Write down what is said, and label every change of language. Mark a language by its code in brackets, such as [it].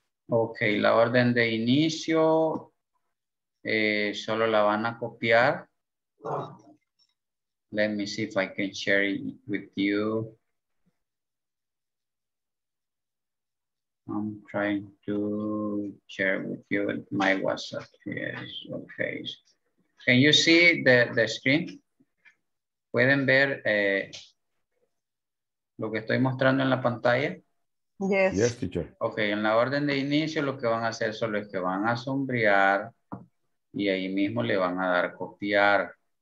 [es] Ok, la orden de inicio solo la van a copiar. [en] Let me see if I can share it with you. I'm trying to share with you my WhatsApp. Yes, okay. Can you see the screen? [es] ¿Pueden ver lo que estoy mostrando en la pantalla? [en] Yes. Yes, teacher. [es] Ok, en la orden de inicio lo que van a hacer solo es que van a sombrear y ahí mismo le van a dar copiar.